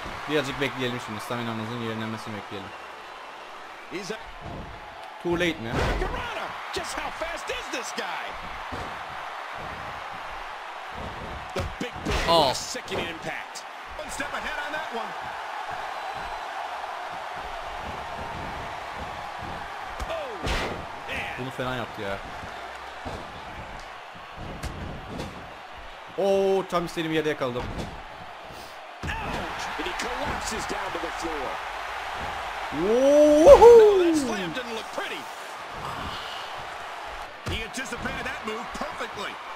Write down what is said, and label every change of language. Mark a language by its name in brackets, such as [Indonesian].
[Turkish] Birazcık bekleyelim şimdi. Staminamızın yerlenmesini bekleyelim. [English] Too late mi? Karana, just how fast is this guy? The big boot, oh. Sickening impact. One step ahead on that one. Oh, man. [Turkish] Bunu fena yaptı ya. Oh, tam istediğim yerde yakaladım. [English] Ouch, and he collapses down to the floor. Woohoo! No, that slam didn't look pretty. He anticipated that move perfectly.